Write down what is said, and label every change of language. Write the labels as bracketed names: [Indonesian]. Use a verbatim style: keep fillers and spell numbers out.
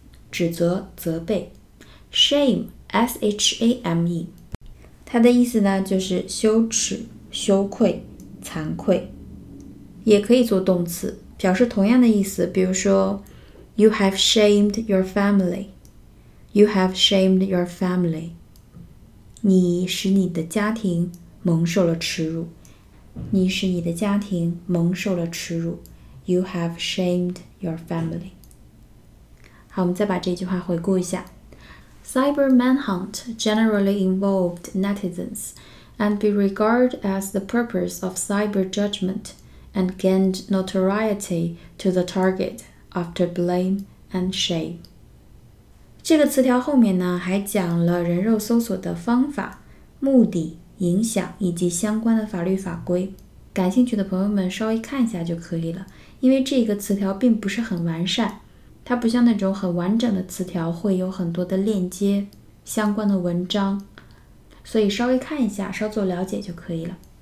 [Chinese] 指责、责备 shame S H A M E 它的意思呢就是羞耻、羞愧、惭愧，也可以做动词表示同样的意思，比如说 [English] You have shamed your family [Chinese] You have shamed your family 你使你的家庭蒙受了耻辱，你使你的家庭蒙受了耻辱 You have shamed your family。好，我们再把这句话回顾一下。 [English] Cyber manhunt generally involved netizens and be regarded as the purpose of cyber judgment and gained notoriety to the target after blame and shame。 [Chinese] 这个词条后面呢还讲了人肉搜索的方法、目的、影响以及相关的法律法规，感兴趣的朋友们稍微看一下就可以了，因为这个词条并不是很完善，它不像那种很完整的词条会有很多的链接、相关的文章，所以稍微看一下，稍作了解就可以了。